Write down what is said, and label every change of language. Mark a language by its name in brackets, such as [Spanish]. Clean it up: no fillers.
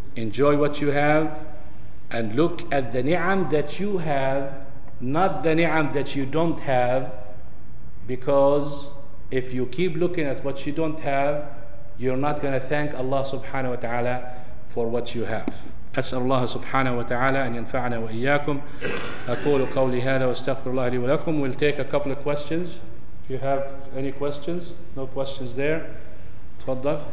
[English] Enjoy what you have and look at the ni'am that you have, not the ni'am that you don't have, because if you keep looking at what you don't have, you're not going to thank Allah subhanahu wa ta'ala for what you have. [Arabic] أسأل الله سبحانه وتعالى أن ينفعنا وإياكم أقول قولي هذا واستغفر الله لي ولكم. [English] We'll take a couple of questions. If you have any questions, no questions there. تفضل.